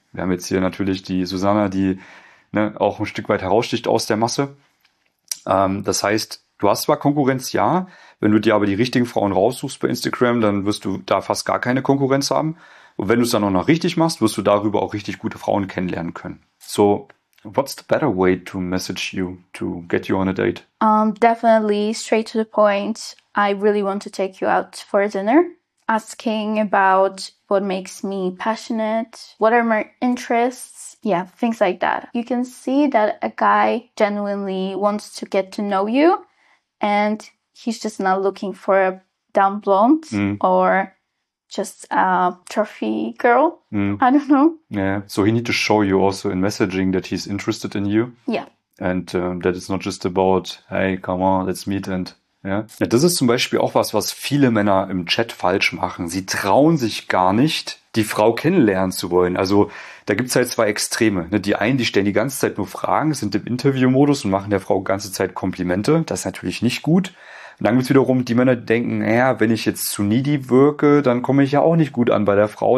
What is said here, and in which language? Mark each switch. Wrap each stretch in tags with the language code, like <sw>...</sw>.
<de>Wir haben jetzt hier natürlich die Susanna, die auch ein Stück weit heraussticht aus der Masse. Das heißt, du hast zwar Konkurrenz, ja, wenn du dir aber die richtigen Frauen raussuchst bei Instagram, dann wirst du da fast gar keine Konkurrenz haben. Und wenn du es dann auch noch richtig machst, wirst du darüber auch richtig gute Frauen kennenlernen können.</de> <en>So, what's the better way to message you to get you on a date? Definitely straight to the point. I really want to take you out for dinner. Asking about what makes me passionate, what are my interests, yeah, things like that. You can see that a guy genuinely wants to get to know you and he's just not looking for a dumb blonde or just a trophy girl. Mm. I don't know. Yeah, so he needs to show you also in messaging that he's interested in you. Yeah. And that it's not just about, hey, come on, let's meet and...</en> <de>Ja, das ist zum Beispiel auch was viele Männer im Chat falsch machen. Sie trauen sich gar nicht, die Frau kennenlernen zu wollen. Also da gibt's halt zwei Extreme. Die einen, die stellen die ganze Zeit nur Fragen, sind im Interviewmodus und machen der Frau die ganze Zeit Komplimente. Das ist natürlich nicht gut. Und dann gibt's wiederum die Männer, die denken, naja, wenn ich jetzt zu needy wirke, dann komme ich ja auch nicht gut an bei der Frau.</de>